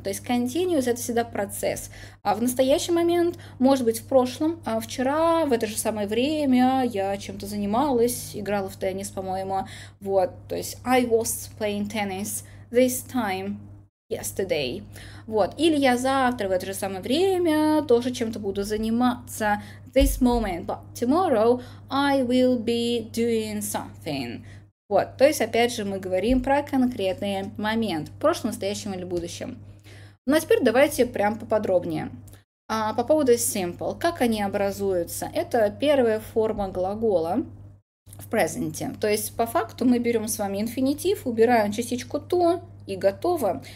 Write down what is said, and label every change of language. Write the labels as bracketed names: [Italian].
[Russian] То есть continuous — это всегда процесс. А в настоящий момент, может быть, в прошлом, а вчера, в это же самое время, я чем-то занималась, играла в теннис, по-моему. Вот, то есть [English] I was playing tennis this time yesterday. [Russian] Вот. Или я завтра в это же самое время тоже чем-то буду заниматься. [English] This moment, but tomorrow I will be doing something. [Russian] Вот. То есть, опять же, мы говорим про конкретный момент. В прошлом, настоящем или будущем. Ну, а теперь давайте прям поподробнее. По поводу simple. Как они образуются? Это первая форма глагола в презенте. То есть, по факту, мы берем с вами инфинитив, убираем частичку to, и готово.